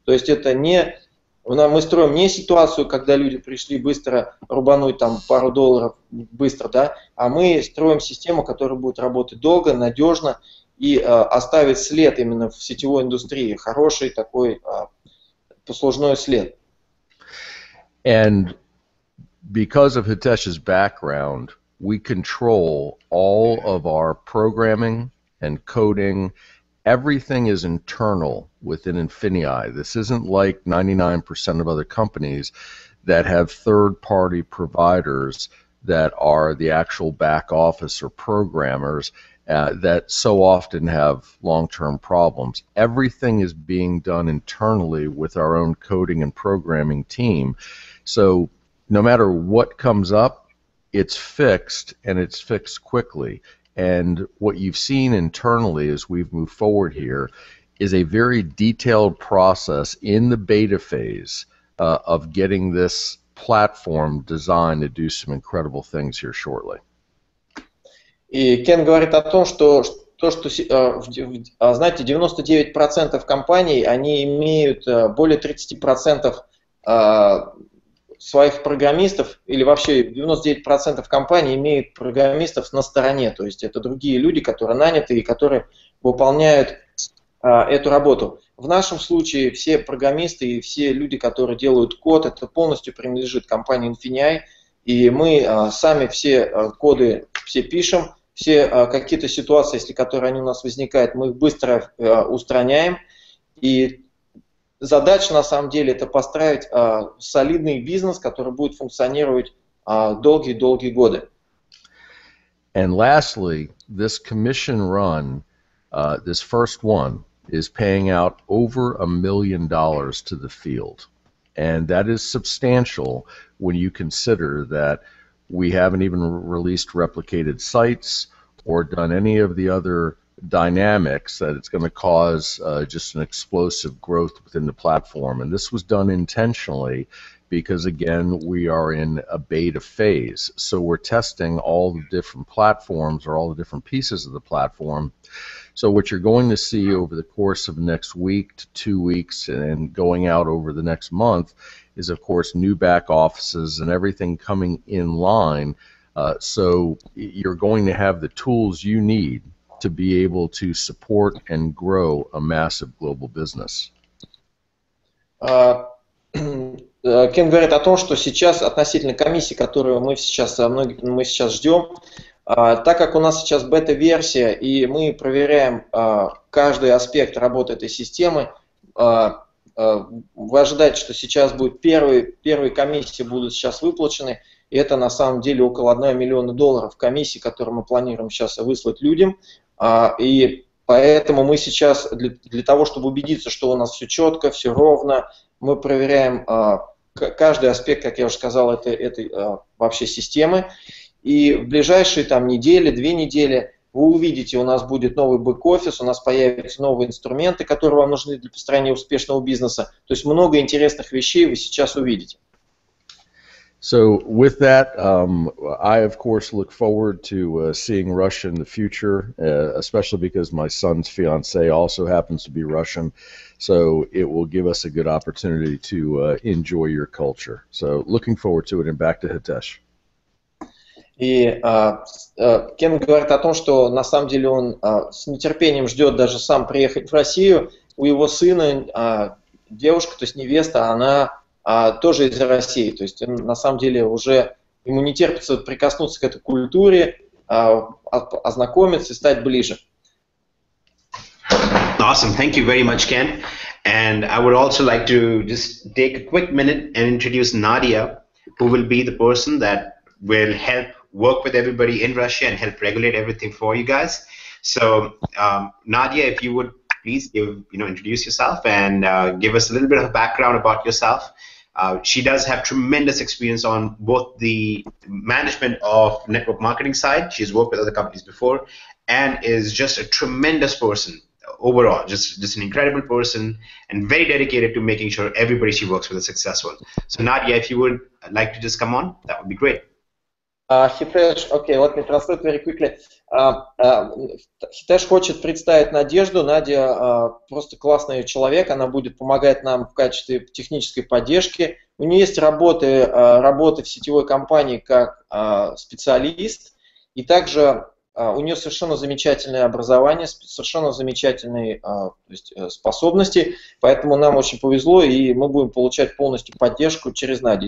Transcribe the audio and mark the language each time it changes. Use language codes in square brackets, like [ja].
[ru] То есть это не, мы строим не ситуацию, когда люди пришли быстро рубануть там пару долларов быстро, да, а мы строим систему, которая будет работать долго, надежно и оставить след именно в сетевой индустрии, хороший такой послужной след. [en] And because of Hitesh's background, we control all of our programming and coding. Everything is internal within Infinii. This isn't like 99% of other companies that have third-party providers that are the actual back office or programmers that so often have long-term problems. Everything is being done internally with our own coding and programming team. So no matter what comes up, it's fixed, and it's fixed quickly. And what you've seen internally as we've moved forward here is a very detailed process in the beta phase of getting this platform designed to do some incredible things here shortly. [ru] И Кен говорит о том, что то, что, знаете, 99% компаний, они имеют более 30% своих программистов, или вообще 99% компаний имеют программистов на стороне, то есть это другие люди, которые наняты и которые выполняют эту работу. В нашем случае все программисты и все люди, которые делают код, это полностью принадлежит компании Infinii, и мы сами все коды все пишем, все какие-то ситуации, если которые они у нас возникают, мы их быстро устраняем. И задача, на самом деле, это построить солидный бизнес, который будет функционировать долгие-долгие годы. [en] And lastly, this commission run, this first one, is paying out over $1 million to the field. And that is substantial when you consider that we haven't even released replicated sites or done any of the other dynamics that it's going to cause just an explosive growth within the platform. And this was done intentionally because, again, we are in a beta phase. So we're testing all the different platforms or all the different pieces of the platform So what you're going to see over the course of next week to 2 weeks and going out over the next month is, of course, new back offices and everything coming in line. So you're going to have the tools you need to be able to support and grow a massive global business. [ru] Кен говорит о том, что сейчас относительно комиссии, которую мы сейчас ждем, так как у нас сейчас бета-версия, и мы проверяем каждый аспект работы этой системы, вы ожидаете, что сейчас будет первые комиссии будут сейчас выплачены, и это на самом деле около 1 миллиона долларов комиссии, которые мы планируем сейчас выслать людям. И поэтому мы сейчас, для того, чтобы убедиться, что у нас все четко, все ровно, мы проверяем каждый аспект, как я уже сказал, этой вообще системы. И в ближайшие там недели, две недели вы увидите, у нас будет новый бэк-офис, у нас появятся новые инструменты, которые вам нужны для построения успешного бизнеса. То есть много интересных вещей вы сейчас увидите. [en] So with that, I of course look forward to seeing Russia in the future, especially because my son's fiance also happens to be Russian. So it will give us a good opportunity to enjoy your culture. So looking forward to it, and back to Hitesh. [ru] И Кен говорит о том, что на самом деле он с нетерпением ждет даже сам приехать в Россию. У его сына девушка, то есть невеста, она тоже из России. То есть на самом деле уже ему не терпится прикоснуться к этой культуре, ознакомиться и стать ближе. [en] Awesome. Thank you very much, Ken. And I would also like to just take a quick minute and introduce Nadia, who will be the person that will help work with everybody in Russia and help regulate everything for you guys. So, Nadia, if you would please introduce yourself and give us a little bit of background about yourself. She does have tremendous experience on both the management of network marketing side. She's worked with other companies before and is just a tremendous person overall, just an incredible person and very dedicated to making sure everybody she works with is successful. So, Nadia, if you would like to just come on, that would be great. Хитеш, окей, let me translate very quickly. [ru] Хитеш хочет представить Надежду. Надя просто классный человек, она будет помогать нам в качестве технической поддержки. У нее есть работы в сетевой компании как специалист, и также у нее совершенно замечательное образование, совершенно замечательные способности, поэтому нам очень повезло, и мы будем получать полностью поддержку через Надю.